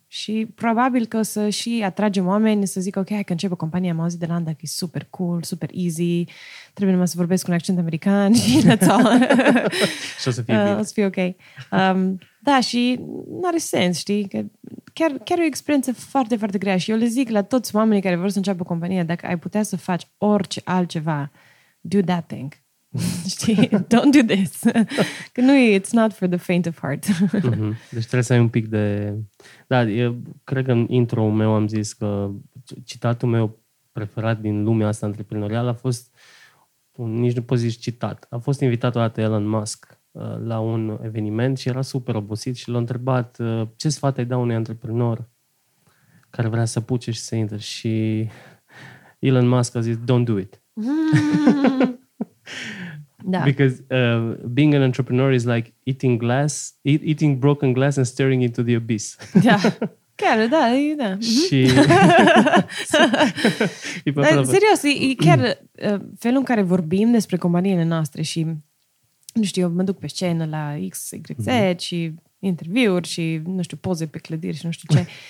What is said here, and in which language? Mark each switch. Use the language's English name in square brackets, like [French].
[Romanian] Și probabil că o să și atragem oameni să zică, ok, hai că începe compania, am auzit de Landa că e super cool, [English] super easy, [Romanian] trebuie numai să vorbesc cu un accent american și [English] that's all. [Romanian] Și o să fie bine. O să fie ok. Da, și nu are sens, știi? Că chiar o experiență foarte, foarte grea. Și eu le zic la toți oamenii care vor să înceapă compania, dacă ai putea să faci orice altceva, [English] do that thing. [Romanian] Știi? [English] Don't do this. [Romanian] Că nu, [English] it's not for the faint of heart. [Romanian] Deci trebuie să ai un pic de... Da, eu cred că în intro-ul meu am zis că citatul meu preferat din lumea asta antreprenorială a fost, nici nu pot zici citat, a fost invitat odată Elon Musk la un eveniment și era super obosit și l-a întrebat ce sfat ai da unui antreprenor care vrea să puce și să intre. Și Elon Musk a zis, [English] don't do it. [Romanian] Da. [English] Because being an entrepreneur is like eating glass, eating broken glass and staring into the abyss. [Romanian] Da, chiar, da, da. Mm-hmm. Și... Dar, serios, e chiar felul în care vorbim despre companiile noastre și, nu știu, eu mă duc pe scenă la X, Y, Z și interviuri și, nu știu, poze pe clădiri și nu știu ce...